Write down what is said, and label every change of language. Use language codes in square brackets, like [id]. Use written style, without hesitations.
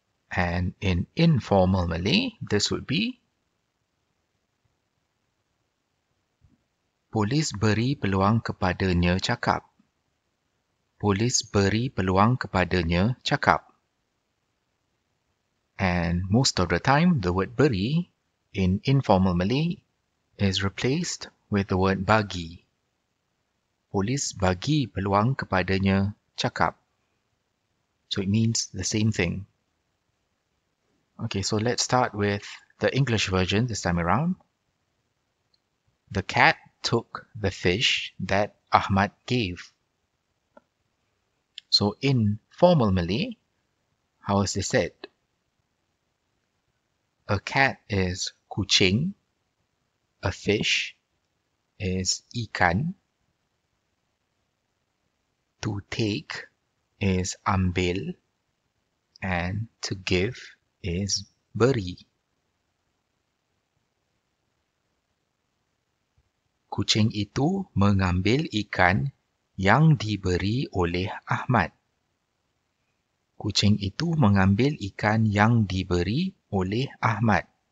[en] And in informal Malay, this would be [ms] Polis beri peluang kepadanya cakap. Polis beri peluang kepadanya cakap. [en] And most of the time, the word beri in informal Malay is replaced with the word bagi. [ms] Polis bagi peluang kepadanya cakap. [en] So it means the same thing. Okay, so let's start with the English version this time around. The cat took the fish that Ahmad gave. So in formal Malay, how is this said? A cat is kucing. A fish is ikan. To take is ambil, and to give is beri. [ms] Kucing itu mengambil ikan yang diberi oleh Ahmad. Kucing itu mengambil ikan yang diberi oleh Ahmad.